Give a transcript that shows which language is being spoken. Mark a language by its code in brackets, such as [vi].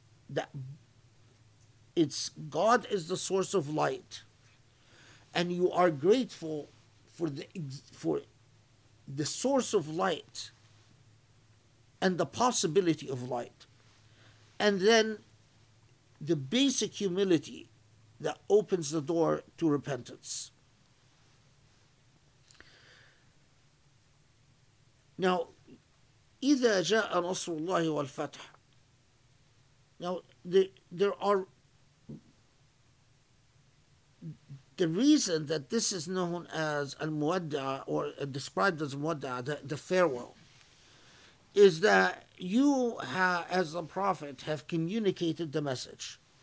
[en] That it's God is the source of light, and you are grateful for the source of light and the possibility of light. And then the basic humility that opens the door to repentance. [ar] Now, إِذَا جَاءَ نَصْرُ اللَّهِ وَالْفَتْحِ. [en] Now, the reason that this is known as al-muwadda'a or described as muwadda'a, the farewell, is that you have, as the Prophet, have communicated the message.